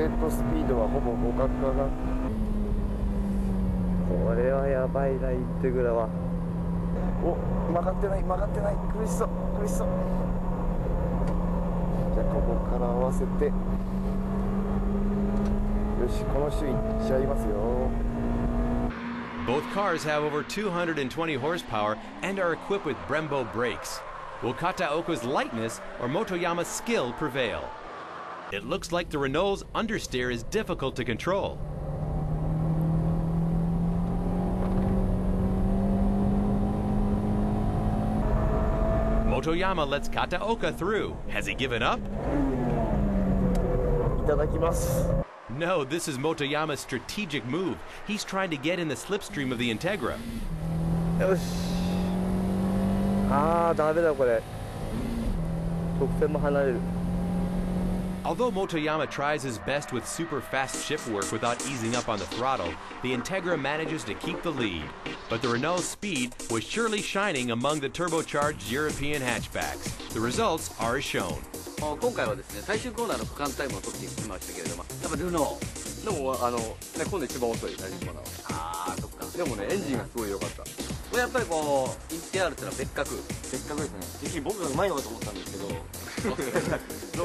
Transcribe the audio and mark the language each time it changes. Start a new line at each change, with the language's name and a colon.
Japanese: スピードはほぼ互角かな。これはやばいな、インテグラは。お、曲がってない、曲がってない、苦しそう、苦しそう。じゃあここから合わせて、よし、この周囲いっちゃいますよ。
English: Both cars have over 220 horsepower and are equipped with Brembo brakes. Will Kataoka's lightness or Motoyama's skill prevail? It looks like the Renault's understeer is difficult to control. Motoyama lets Kataoka through. Has he given up?
Japanese: いただきます。
English: No, this is Motoyama's strategic move. He's trying to get in the slipstream of the Integra.
Japanese: よし。ああ、ダメだこれ。直線も離れる。
English: Although Motoyama tries his best with super fast shift work without easing up on the throttle, the Integra manages to keep the lead. But the Renault's speed was surely shining among the turbocharged European hatchbacks. The results are as shown.
Japanese: 今回はですね、最終コーナーの区間タイムを取ってきましたけれども、やっぱルノー。でも、ね、今度一番遅い、最終コーナーは。ああ、そっか。でもね、エンジンがすごい良かった。これやっぱりこう、インティアールってのは別格。別格ですね。ぜひ僕が上手いのかと思ったんですけど、